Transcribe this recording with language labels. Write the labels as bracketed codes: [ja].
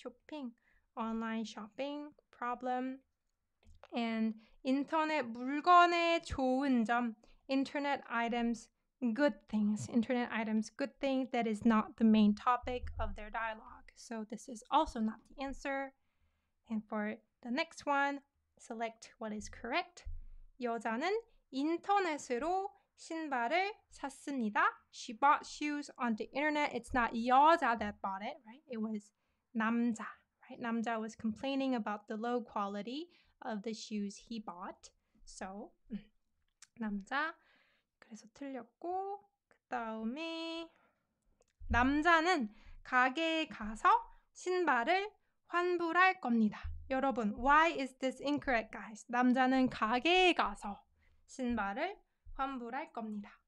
[en] Internet shopping, online shopping problem. And [ko] 인터넷 물건의 좋은 점, [en] internet items. Good things, that is not the main topic of their dialogue. So this is also not the answer. And for the next one, select what is correct. [ko] 여자는 인터넷으로 신발을 샀습니다. [en] She bought shoes on the internet. It's not 여자 that bought it, right? It was 남자, right? 남자 was complaining about the low quality of the shoes he bought. So 남자. [ko] 그래서 틀렸고, 그 다음에 남자는 가게에 가서 신발을 환불할 겁니다. 여러분, [en] why is this incorrect, guys? [ko] 남자는 가게에 가서 신발을 환불할 겁니다.